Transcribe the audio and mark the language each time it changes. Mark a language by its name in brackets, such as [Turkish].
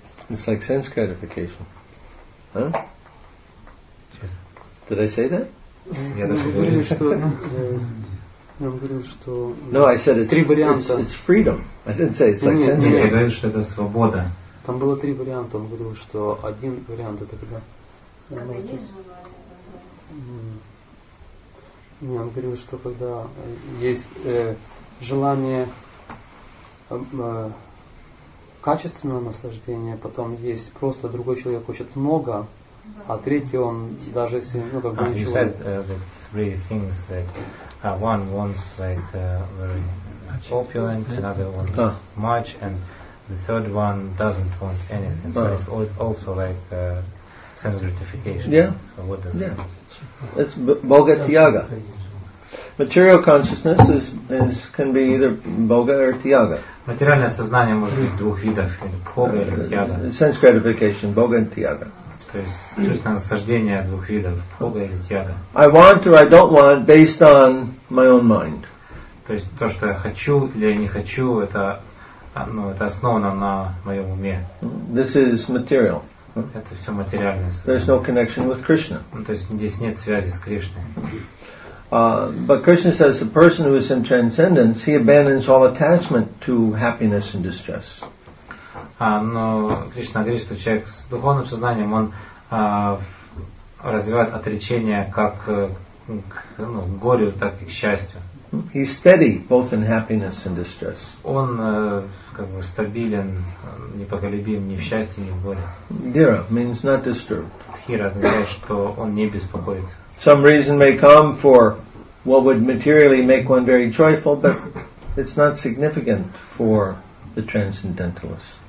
[English] It's like sense gratification, huh? Did I say that? No, I said it's freedom. I didn't say it's like sense gratification. [Russian] Там было три варианта. Он говорил, что один вариант это когда... Когда есть желание. Нет, он говорил, что когда есть желание качественного наслаждения, потом есть просто другой человек хочет много, а третий он даже если ну как бы ничего. [English] He said the three things that one wants like very opulent, another wants much, and the third one doesn't want anything. So it's also like sense gratification. Yeah. So what does that mean? It's bhoga tyaga. Material consciousness is can be either bhoga or tyaga. [Russian] Материальное сознание может быть двух видов: бхога или тьяга. [English] Sense gratification, [Russian] бхога и тьяга. То есть чувство наслаждения двух видов: бхога или тьяга. [English] I want or I don't want based on my own mind. [Russian] То есть то, что я хочу или я не хочу, это, ну, это основано на моем уме. [English] This is material. [Russian] Это все материальное сознание. [English] There's no connection with Krishna. [Russian] Ну, то есть здесь нет связи с Кришной. [English] But Krishna says the person who is in transcendence, he abandons all attachment to happiness and distress. [Russian] Но Кришна говорит, что человек с духовным сознанием, он развивает отречение как к ну, горю, так и к счастью. [English] He's steady both in happiness and distress. [Russian] Он как бы стабилен, непоколебим ни в счастье, ни в горе. [English] Dhira means not disturbed. [Russian] Dhira означает, что он не беспокоится. [English] Some reason may come for what would materially make one very joyful, but it's not significant for the transcendentalist.